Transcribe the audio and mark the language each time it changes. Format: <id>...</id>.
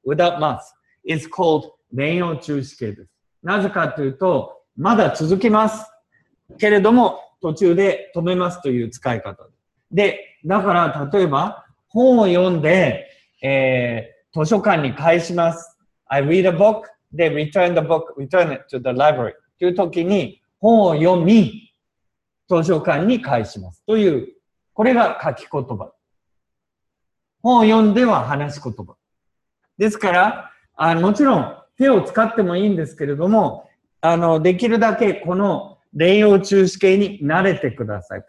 <en>without</en> <ja>ます。</ja> <en>is called</en> <ja>連用中止形です。なぜかというと、まだ続きます。けれども、途中で止めますという使い方。で、だから、例えば、本を読んで、図書館に返します。</ja> <en>I read a book, then return the book, return it to the library.</en> <ja>という時に、本を読み、図書館に返します。という、これが書き言葉。本を読んでは話し言葉。ですから、もちろん手を使ってもいいんですけれども、できるだけこの連用中止形に慣れてください。</ja>